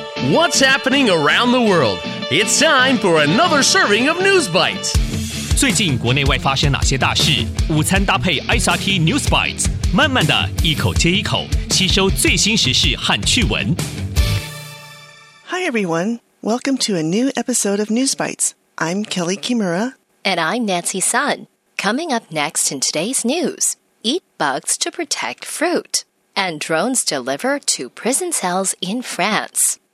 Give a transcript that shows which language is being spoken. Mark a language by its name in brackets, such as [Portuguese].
[English] What's happening around the world? It's time for another serving of News Bites. [Chinese] 最近国内外发生哪些大事？午餐搭配 SRT News Bites， 慢慢的一口接一口，吸收最新时事和趣闻。 [English] Hi everyone, welcome to a new episode of News Bites. I'm Kelly Kimura. And I'm Nancy Sun. Coming up next in today's news, eat bugs to protect fruit, and drones deliver to prison cells in France.